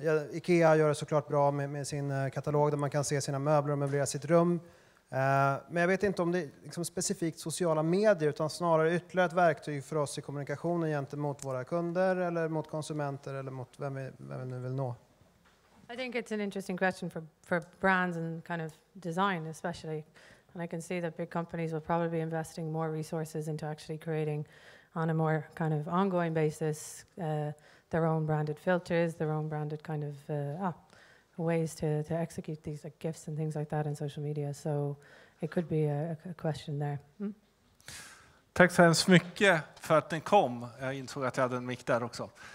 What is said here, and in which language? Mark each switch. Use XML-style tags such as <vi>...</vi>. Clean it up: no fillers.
<sv>IKEA gör det såklart bra med sin katalog där man kan se sina möbler och möblera sitt rum. Men jag vet inte om det är liksom specifikt sociala medier, utan snarare ytterligare ett verktyg för oss i kommunikationen gentemot våra kunder eller mot konsumenter eller mot vem vi nu vill nå.</sv> <en>I think it's an interesting question for brands and kind of design especially. And I can see that big companies will probably be investing more resources into actually creating on a more kind of ongoing basis their own branded filters, their own branded kind of ways to execute these like gifts and things like that in social media. So it could be a question there.</en> <sv>Tack så hemskt mycket för att ni kom. Jag insåg att jag hade en mic där också.</sv>